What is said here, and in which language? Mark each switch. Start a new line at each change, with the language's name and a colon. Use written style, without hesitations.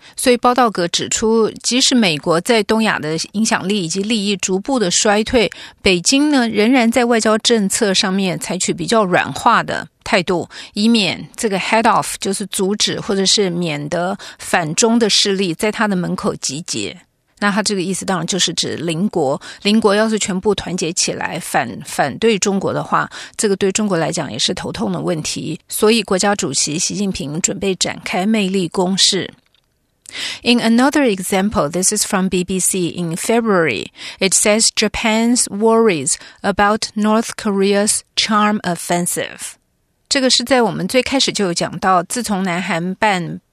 Chinese: 所以包道格指出，即使美国在东亚的影响力以及利益逐步的衰退，北京呢仍然在外交政策上面采取比较软化的态度，以免这个 head off 就是阻止或者是免得反中的势力在他的门口集结。那他这个意思当然就是指邻国，邻国要是全部团结起来反对中国的话，这个对中国来讲也是头痛的问题，所以国家主席习近平准备展开魅力攻势。
English: In another example, this is from BBC in February. It says Japan's worries about North Korea's charm offensive.
Chinese: 这个是在我们最开始就有讲到，自从南韩办